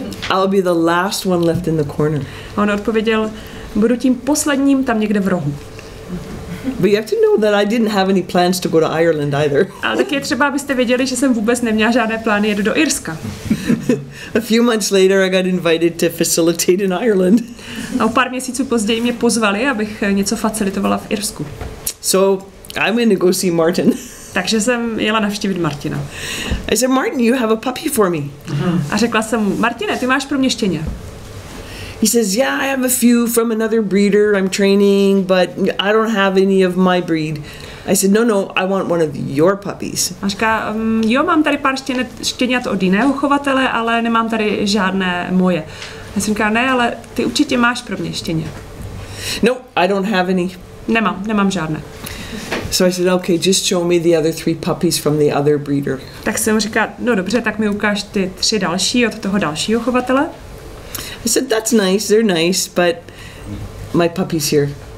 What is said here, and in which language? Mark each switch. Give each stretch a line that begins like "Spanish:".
English: I'll be the last one left in the corner.
Czech: A on odpověděl, budu tím posledním tam někde v rohu.
English: But you have to know that I didn't have any plans to go to Ireland either.
Czech: Ale taky je třeba, abyste věděli, že jsem vůbec neměla žádné plány jet do Irska.
English: A few months later I got invited to facilitate in Ireland.
Czech: A o pár měsíců později mě pozvali, abych něco facilitovala v Irsku.
English: So I'm going to go see Martin.
Czech: Takže jsem jela navštívit Martina.
English: I said, Martin, you have a puppy for me.
Czech: A řekla jsem mu, Martine, ty máš pro mě štěně.
English: He says, yeah, I have a few from another breeder I'm training, but I don't have any of my breed. I said, no, I want one of your puppies.
Czech: A říká, jo, mám tady pár štěňat od jiného chovatele, ale nemám tady žádné moje. A jsem říká, ne, ale ty určitě máš pro mě štěně.
English: No, I don't have any.
Czech: Nemám žádné.
English: So I said, okay, just show me the other three puppies from the other breeder.
Czech: Tak jsem říká, no dobře, tak mi ukáž ty tři další od toho dalšího chovatele.
English: I said, that's nice, they're nice, but my puppy's here.